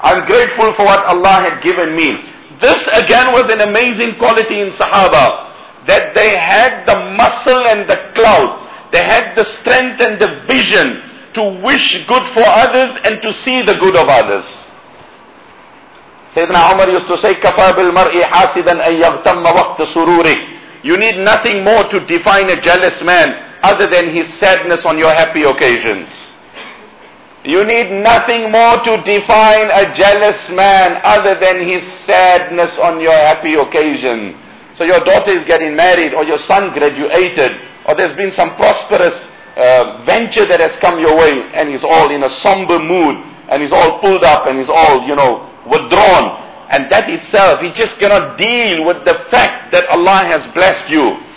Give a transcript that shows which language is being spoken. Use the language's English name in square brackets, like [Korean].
[English] I'm grateful for what Allah had given me. This again was an amazing quality in Sahaba, that they had the muscle and the clout. They had the strength and the vision to wish good for others and to see the good of others. Sayyidina Umar used to say, [Arabic] كَفَى بِالْمَرْءِ حَاسِدًا أَن يَغْتَمَّ وَقْتَ سُرُورِكَ. [English] You need nothing more to define a jealous man other than his sadness on your happy occasions. You need nothing more to define a jealous man other than his sadness on your happy occasion. So your daughter is getting married, or your son graduated, or there's been some prosperous venture that has come your way, and he's all in a somber mood, and he's all pulled up, and he's all, you know, withdrawn, and that itself, he just cannot deal with the fact that Allah has blessed you.